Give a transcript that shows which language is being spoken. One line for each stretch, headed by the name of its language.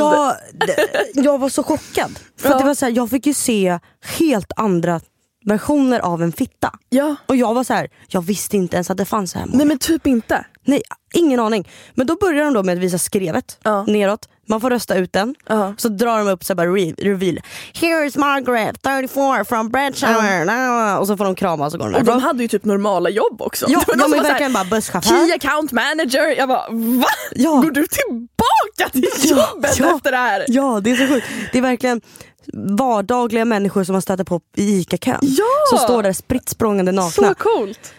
Swedish: Alltså jag var så chockad för ja. Det var så här, jag fick ju se helt andra versioner av en fitta. Ja. Och jag var så här, jag visste inte ens att det fanns så här. Nej men typ inte. Nej, ingen aning. Men då börjar de då med att visa skrevet neråt. Man får rösta ut den. Så drar de upp så här bara reveal.
English: Here's Margaret, 34, from Bradshaw.
Swedish: Och så får de krama och så går de. Och de hade ju typ normala jobb också. Ja, de är verkligen bara busschaufför. Key account manager. Jag bara, va? Ja. Går du tillbaka till jobbet efter det här? Ja, det är så sjukt. Det är verkligen vardagliga människor som har stöttat på i ICA-kön. Ja. Som står där sprittsprångande nakna. Så coolt.